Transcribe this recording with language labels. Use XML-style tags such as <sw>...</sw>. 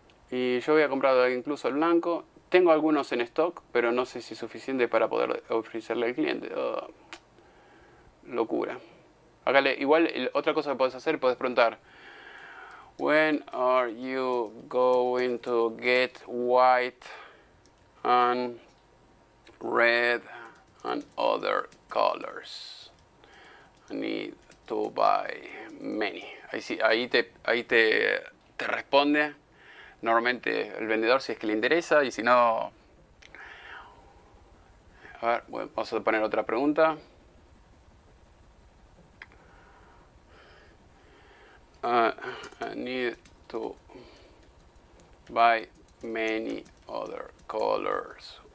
<es>Y yo había comprado incluso el blanco. Tengo algunos en stock, pero no sé si es suficiente para poder ofrecerle al cliente. Oh, locura. Igual, otra cosa que puedes hacer, puedes preguntar.</es> <en>When are you going to get white? And red and other colors. I need to buy many.</en> <es>Ahí te responde normalmente el vendedor si es que le interesa y si no. A ver, bueno, vamos a poner otra pregunta.</es> <en>I need to buy many other colors.</en>